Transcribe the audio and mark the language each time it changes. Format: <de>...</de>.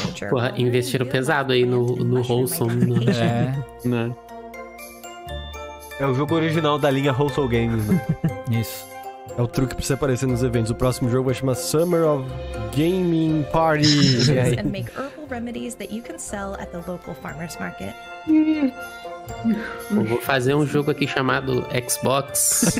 <pt>Porra, investiram pesado aí no wholesome. No... É. Né? É o jogo original da linha Wholesome Games, né? Isso. É o truque pra você aparecer nos eventos. O próximo jogo vai chamar Summer of Gaming Party.</pt> <en>And make herbal remedies that you can sell at the local farmer's market.</en> <pt>Eu vou fazer um jogo aqui chamado Xbox.</pt>